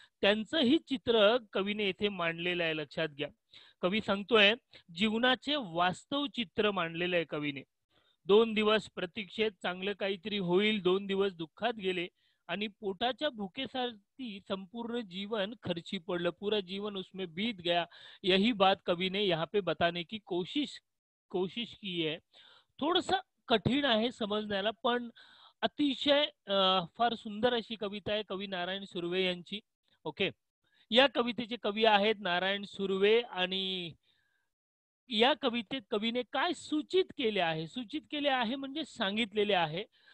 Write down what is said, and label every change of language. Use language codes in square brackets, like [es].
[mr] त्यांचंही चित्र कवीने येथे मांडलेलं आहे. लक्षात घ्या, कवी सांगतोय जीवनाचे वास्तव चित्र मांडलेलं आहे कवीने. दोन दिवस प्रतीक्षेत चांगलं काहीतरी होईल, दोन दिवस दुःखात गेले आणि पोटाच्या भुकेसाठी संपूर्ण जीवन खर्ची पडलं, [hi] पूरा जीवन उसमें बीत गया. यही बात कवीने यहाँ पे बताने की कोशिश की है. [mr] थोडस कठीण आहे समजण्याला, पण अतिशय फार सुंदर अशी कविता आहे कवी नारायण सुर्वे यांची. ओके, या कवितेचे कवी आहेत नारायण सुर्वे. आणि या कवितेत कवीने काय सूचित केले आहे, सूचित केले आहे म्हणजे सांगितलेले आहे.